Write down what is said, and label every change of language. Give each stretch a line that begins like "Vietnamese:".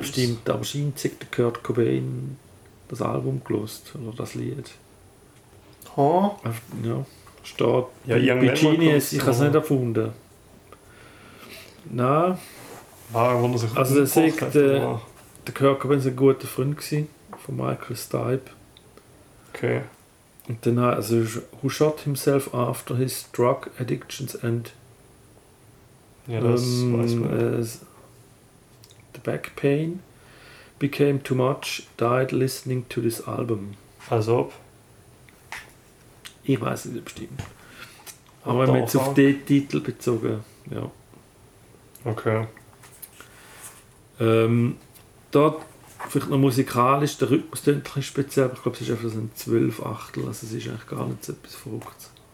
German: Bestimmt, aber scheinbar hat Kurt Cobain das Album gelöst oder das Lied. Ha? Ja, steht. Ja, ich bei Genius, ich habe es nicht erfunden. Nein. Ah, wo man sich also er sagt, der Kurt Cobain war ein guter Freund gewesen, von Michael Stipe. Okay. Und dann also
English: who shot himself after his drug addictions and
German: ja, das weiß man.
English: The back pain became too much, died listening to this album.
German: Als ob? Ich weiß nicht bestimmt. Aber wenn man jetzt auf den Titel bezogen, ja. Okay. Dort vielleicht noch musikalisch, der Rhythmus klingt ein speziell, aber ich glaube, es ist einfach so ein 12-Achtel, also es ist eigentlich gar nicht so etwas Verrücktes.